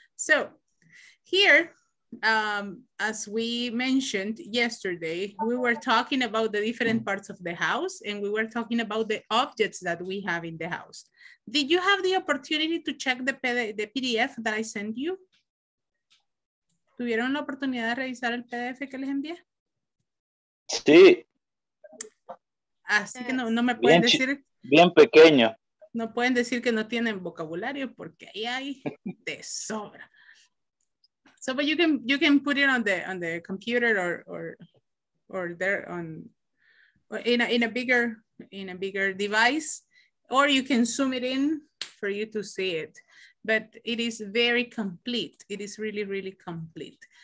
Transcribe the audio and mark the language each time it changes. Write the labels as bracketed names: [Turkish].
[English] So here, as we mentioned yesterday, we were talking about the different parts of the house and we were talking about the objects that we have in the house. Did you have the opportunity to check the PDF that I sent you? [Spanish] ¿Tuvieron la oportunidad de revisar el PDF que les envié? Sí. Así que no me pueden decir... Bien pequeño. No pueden decir que no tienen vocabulario porque ahí hay de sobra. [English] So, but you can put it on the computer or there on or in a bigger device, or you can zoom it in for you to see it. But it is very complete. It is really, really complete.